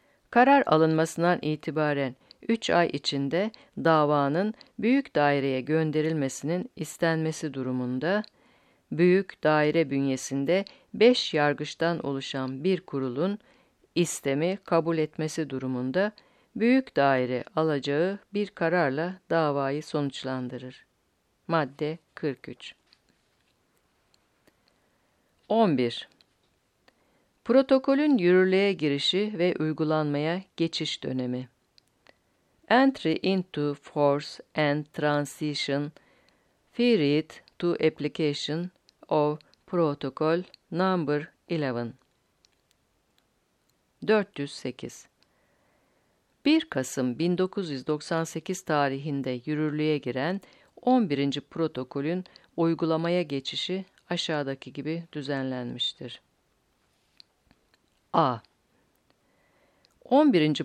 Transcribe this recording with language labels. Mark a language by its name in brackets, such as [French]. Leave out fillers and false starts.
[Turkish] Karar alınmasından itibaren 3 ay içinde davanın büyük daireye gönderilmesinin istenmesi durumunda, büyük daire bünyesinde 5 yargıçtan oluşan bir kurulun istemi kabul etmesi durumunda, büyük daire alacağı bir kararla davayı sonuçlandırır. Madde 43. 11. Protokolün yürürlüğe girişi ve uygulanmaya geçiş dönemi. [English] Entry into force and transition period to application of protocol number 11. [Turkish] 408. 1 Kasım 1998 tarihinde yürürlüğe giren 11. protokolün uygulamaya geçişi aşağıdaki gibi düzenlenmiştir. A. 11.